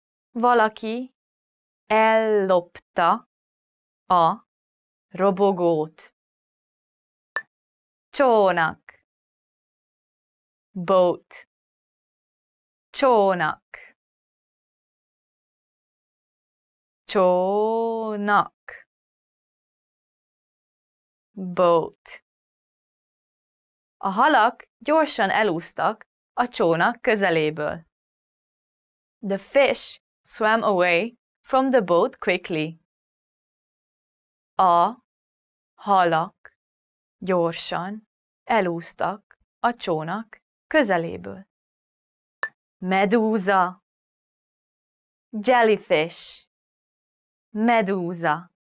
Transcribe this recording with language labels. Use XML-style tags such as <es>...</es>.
<hu>Valaki ellopta a robogót. Csónak. Boat. Csónak. Csónak.</hu> <en>Boat.</en> <hu>A halak gyorsan elúsztak a csónak közeléből.</hu> <en>The fish swam away from the boat quickly.</en> <hu>A halak gyorsan elúsztak a csónak közeléből. Medúza. Jellyfish. Medúza.</hu>